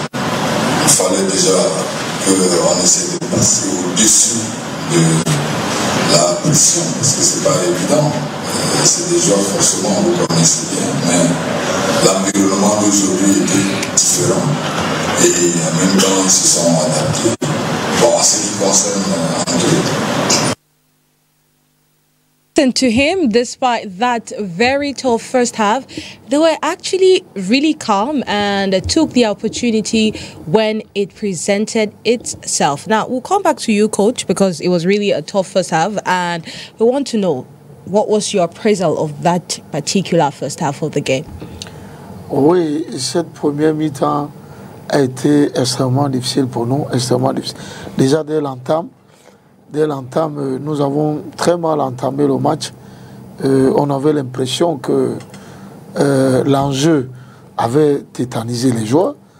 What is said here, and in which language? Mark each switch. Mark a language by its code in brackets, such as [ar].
[fr] Il fallait déjà qu'on essaie de passer au-dessus de la pression, parce que ce n'est pas évident. C'est des joueurs, forcément, on le connaissait bien, mais l'environnement d'aujourd'hui était différent. Et en même temps, ils se sont adaptés. Bon, en ce qui concerne André. [en] To him, despite that very tough first half, they were actually really calm and took the opportunity when it presented itself. Now, we'll come back to you, coach, because it was really a tough first half, and we want to know what was your appraisal of that particular first half of the game. [fr] Oui, cette première mi-temps a été extrêmement difficile pour nous, extrêmement difficile. Déjà dès l'entame. Dès l'entame, nous avons très mal entamé le match. On avait l'impression que l'enjeu avait tétanisé les joueurs.